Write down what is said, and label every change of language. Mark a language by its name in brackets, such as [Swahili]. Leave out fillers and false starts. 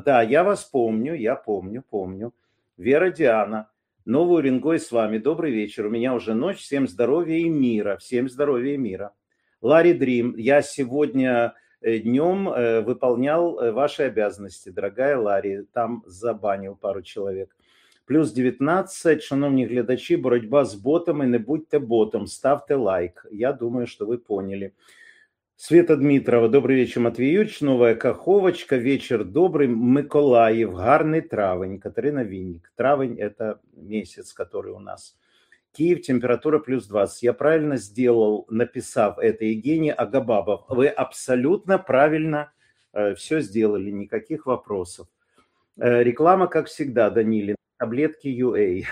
[Russian] Да, я вас помню, я помню. Вера Диана, Новый Уренгой с вами, добрый вечер. У меня уже ночь, всем здоровья и мира. Ларри Дрим, я сегодня днем выполнял ваши обязанности, дорогая Ларри, там забанил пару человек. [Ukrainian] Плюс 19, шановні глядачі, боротьба з ботами, не будьте ботом, ставте лайк. [Russian] Я думаю, что вы поняли. Света Дмитрова, добрый вечер, Матвій Юрійович, новая каховочка, вечер добрый, Миколаїв, [Ukrainian] гарний травень, [Russian] Катерина Вінник. Травень – это месяц, который у нас. Киев, температура плюс 20. Я правильно сделал, написав это Евгений Агабабов. Вы абсолютно правильно все сделали, никаких вопросов. Реклама, как всегда, Данилин. Таблетки UA.